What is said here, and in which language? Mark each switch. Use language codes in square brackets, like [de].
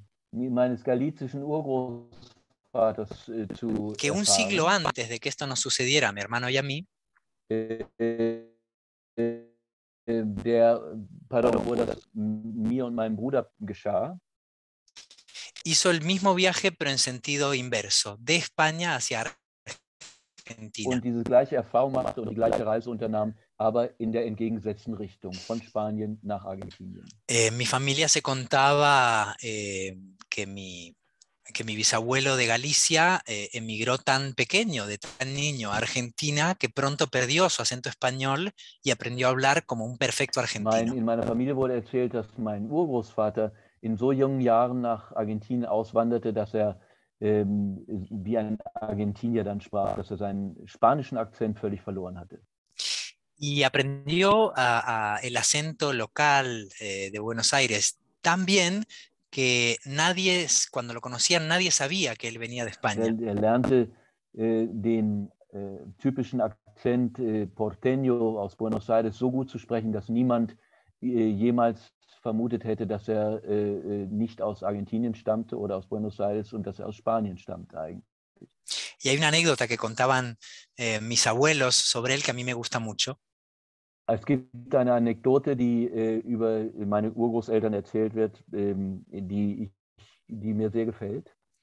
[de] Meines galizischen Urgroßvaters zu erfahren. [es] Que un siglo antes de que esto nos sucediera, mi hermano y a mí, [de] mir und meinem Bruder geschah, [es] hizo el mismo viaje, pero en sentido inverso, de España hacia Argentina. [de] Und diese gleiche Erfahrung machte und die gleiche Reise unternahm, aber in der entgegengesetzten Richtung, von Spanien nach Argentinien. [es] Mi familia se contaba que mi bisabuelo de Galicia emigró tan pequeño, de tan niño, a Argentina, que pronto perdió su acento español y aprendió a hablar como un perfecto argentino. [de] In meiner Familie wurde erzählt, dass mein Urgroßvater in so jungen Jahren nach Argentinien auswanderte, dass er wie ein Argentinier dann sprach, dass er seinen spanischen Akzent völlig verloren hatte. [es] Y aprendió el acento local de Buenos Aires tan bien que nadie, cuando lo conocían, nadie sabía que él venía de España. [de] Er lernte den typischen Akzent porteño aus Buenos Aires so gut zu sprechen, dass niemand jemals vermutet hätte, dass er nicht aus Argentinien stammte oder aus Buenos Aires und dass er aus Spanien stammte eigentlich. [es] Y hay una anécdota que contaban mis abuelos sobre él que a mí me gusta mucho. [de] Es gibt eine Anekdote, die über meine Urgroßeltern erzählt wird, die mir sehr gefällt.